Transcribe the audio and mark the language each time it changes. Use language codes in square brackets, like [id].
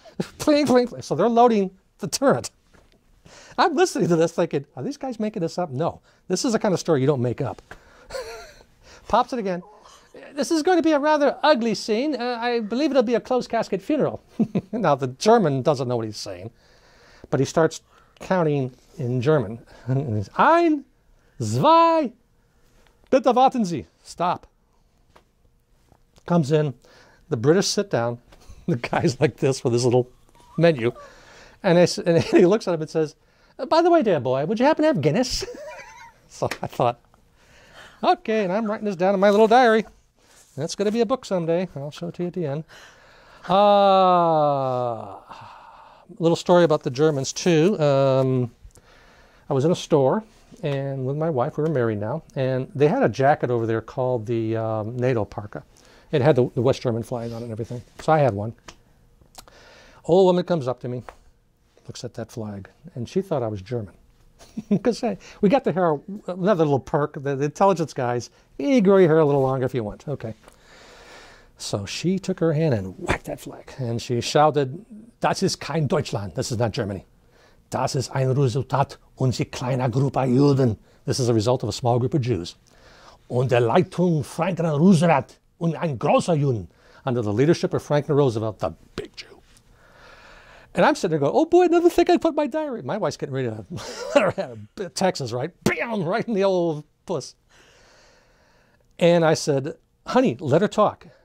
[en] Fling, fling, fling. So they're loading the turret. I'm listening to this thinking, are these guys making this up? No. This is the kind of story you don't make up. Pops it again. This is going to be a rather ugly scene. I believe it'll be a closed casket funeral. Now, the German doesn't know what he's saying, but he starts counting in German. [de] Ein, zwei, bitte warten Sie. [en] Stop. Comes in. The British sit down, the guy's like this with his little menu, and he looks at him and says, by the way, dear boy, would you happen to have Guinness? So I thought, okay, and I'm writing this down in my little diary. That's going to be a book someday. I'll show it to you at the end. A little story about the Germans, too. I was in a store, and with my wife, we were married now, and they had a jacket over there called the NATO parka. It had the West German flag on it and everything. So I had one. Old woman comes up to me, looks at that flag, and she thought I was German. Because hey, we got the hair, another little perk, the intelligence guys, you grow your hair a little longer if you want. Okay. So she took her hand and whacked that flag. And she shouted, [de] Das ist kein Deutschland. [en] This is not Germany. [de] Das ist ein Resultat unserer kleinen Gruppe Juden. [en] This is a result of a small group of Jews. [de] Und der Leitung Franklin Roosevelt. [en] Under the leadership of Franklin Roosevelt, the big Jew. And I'm sitting there going, oh boy, another thing I put in my diary. My wife's getting ready to Texas, right? Bam, right in the old puss. And I said, honey, let her talk.